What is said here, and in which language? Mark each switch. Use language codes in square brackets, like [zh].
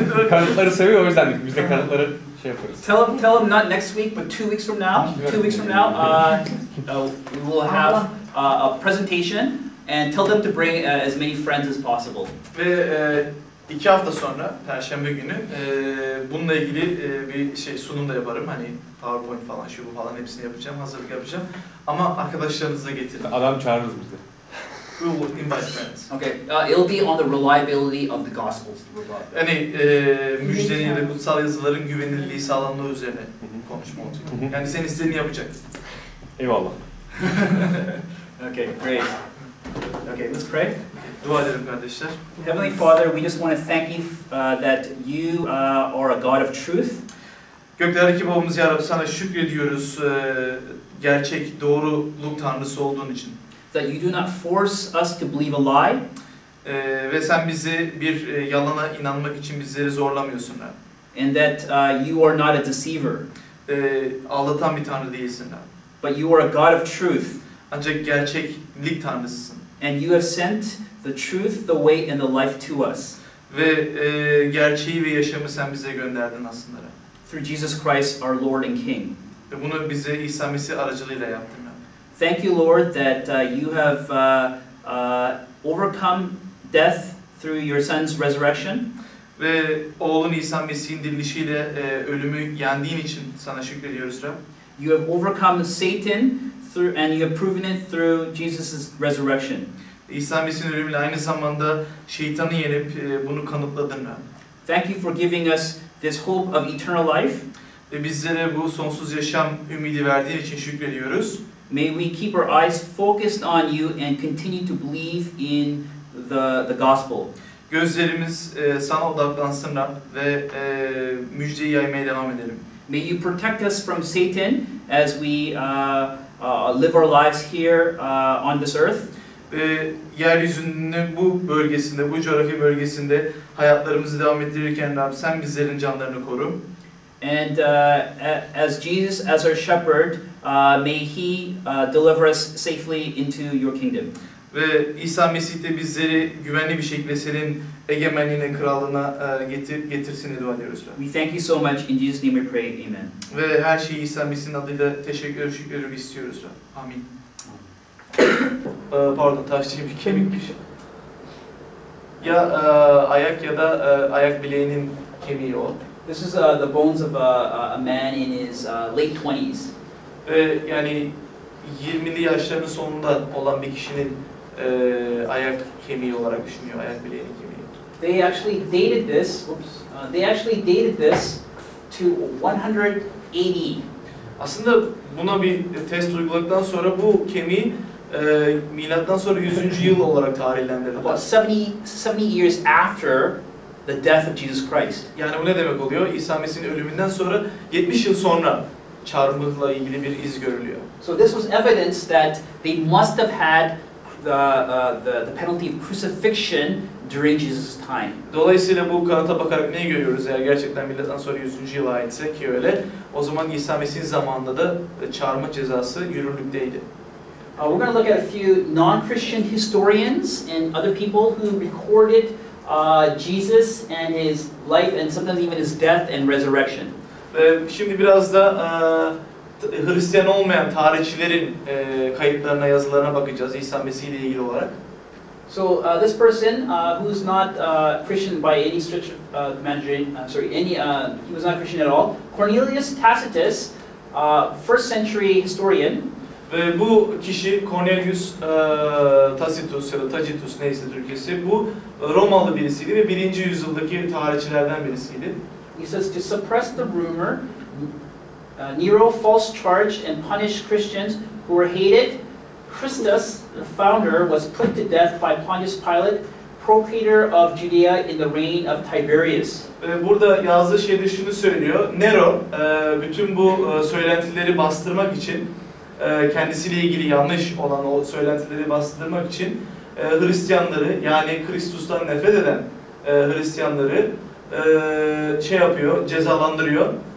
[tr] Kanıtları seviyor, o yüzden biz de kanıtları şey yaparız. [en] Tell him not next week, but 2 weeks from now. 2 weeks from now, we will have a presentation and tell them to bring as many friends as possible. [tr] Ve 2 hafta sonra, Perşembe günü, bununla ilgili bir şey sunum da yaparım. Hani PowerPoint falan, şu bu falan hepsini yapacağım, hazırlık yapacağım. Ama arkadaşlarınızı da getirin. Adam çağırırız bizi. [en] We will invite friends. Okay, it'll be on the reliability of the Gospels. [tr] Yani müjdenin ya da kutsal yazıların güvenilirliği sağlandığı üzerine konuşma olacak. Yani senin istediğini yapacak. Eyvallah. [en] Okay, great. Okay, let's pray. [tr] Dua edelim kardeşler. [en] Heavenly Father, we just want to thank you that you are a God of truth. [tr] Göklerdeki babamız ya Rabbi sana şükrediyoruz gerçek doğruluk tanrısı olduğun için. [en] That you do not force us to believe a lie. [tr] Ve sen bizi bir yalana inanmak için bizleri zorlamıyorsun da. [en] And that you are not a deceiver. [tr] Aldatan bir tanrı değilsin da. [en] But you are a God of truth. [tr] Ancak gerçeklik tanrısısın. [en] And you have sent the truth, the way and the life to us. [tr] Ve gerçeği ve yaşamı sen bize gönderdin aslında. [en] Through Jesus Christ our Lord and King. [tr] Ve bunu bize İsa Mesih aracılığıyla yaptın. [en] Thank you Lord that you have overcome death through your son's resurrection. [tr] Ve oğlun İsa Mesih'in dirilişiyle ölümü yendiğin için sana şükrediyoruz Rab. [en] You have overcome Satan through, and you have proven it through Jesus' resurrection. [tr] İsa Mesih'in ölümüyle aynı zamanda şeytanı yenip bunu kanıtladığını. [en] Thank you for giving us this hope of eternal life. [tr] Ve bizlere bu sonsuz yaşam ümidi verdiğin için şükrediyoruz. [en] May we keep our eyes focused on you and continue to believe in the gospel. [tr] Gözlerimiz sana odaklansın Rab ve müjdeyi yaymaya devam edelim. [en] May you protect us from Satan as we live our lives here on this earth. [tr] Yeryüzünde bu bölgesinde, bu coğrafi bölgesinde hayatlarımızı devam ettirirken Rab sen bizlerin canlarını koru. [en] And as Jesus, as our shepherd, may he deliver us safely into your kingdom. [tr] Ve İsa Mesih de bizleri güvenli bir şekilde senin egemenliğine, krallığına getirsin dua ediyoruz. [en] We thank you so much. In Jesus' name we pray. Amen. [tr] Ve her şeyi İsa Mesih'in adıyla teşekkür ve şükür istiyoruz. Amin. Pardon, taşçı bir kemikmiş. Ya ayak ya da ayak bileğinin kemiği o. [en] This is the bones of a man in his late 20s. [tr] Yani 20'li yaşlarının sonunda olan bir kişinin ayak kemiği olarak düşünüyor, ayak bileği kemiği. [en] They actually dated this to 180. [tr] Aslında buna bir test uyguladıktan sonra bu kemiği milattan sonra 100. yıl olarak tarihlendirdiler. [en] About 70 years after the death of Jesus Christ. [tr] Yani bu ne demek oluyor? İsa Mesih'in ölümünden sonra 70 yıl sonra çarmıhla ilgili bir iz görülüyor. [en] So this was evidence that they must have had the penalty of crucifixion during Jesus' time. [tr] Dolayısıyla bu kanıta bakarak neyi görüyoruz? Eğer gerçekten milattan sonra 100. yıla aitse ki öyle, o zaman İsa Mesih'in zamanında da çarmıh cezası yürürlükteydi. [en] We're going to look at a few non-Christian historians and other people who recorded Jesus and his life and sometimes even his death and resurrection. [tr] Şimdi biraz da Hristiyan olmayan tarihçilerin kayıtlarına, yazılarına bakacağız İsa Mesih ile ilgili olarak. [en] So this person who's not Christian by any stretch of he was not Christian at all. Cornelius Tacitus, first century historian. [tr] Ve bu kişi Cornelius Tacitus ya da Tacitus neyse Türkçesi, bu Romalı birisiydi ve 1. yüzyıldaki tarihçilerden birisiydi. [en] He says to suppress the rumor, Nero false charged and punished Christians who were hated. Christus, the founder, was put to death by Pontius Pilate, procurator of Judea in the reign of Tiberius. [tr] Burada yazdığı şeyde şunu söylüyor. Nero, bütün bu söylentileri bastırmak için, kendisiyle ilgili yanlış olan o söylentileri bastırmak için Hristiyanları, yani Kristus'tan nefret eden Hristiyanları şey yapıyor, cezalandırıyor.